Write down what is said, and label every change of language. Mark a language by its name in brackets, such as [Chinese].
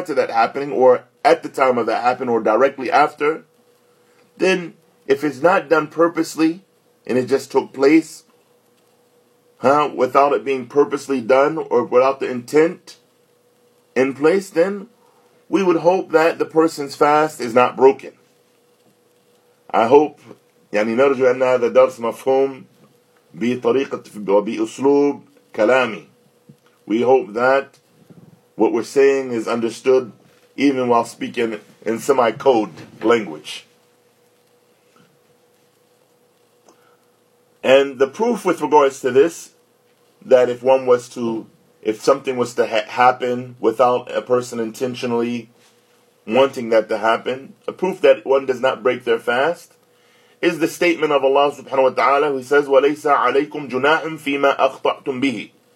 [English] happening, or at the time of that happening, or directly after, then if it's not done purposely and it just took place, without it being purposely done or without the intent in place, then we would hope that the person's fast is not broken. I hope [Arabic] يعني نرجو أن هذا درس مفهوم بطريقة وبأسلوب كلامي. [English] We hope that what we're saying is understood even while speaking in semi-code language. And the proof with regards to this, that if something was to happen without a person intentionally wanting that to happen, a proof that one does not break their fast, is the statement of Allah subhanahu wa ta'ala, who says, [Arabic] وَلَيْسَ عَلَيْكُمْ جُنَاحٌ فِي مَا أَخْطَأْتُمْ بِهِ.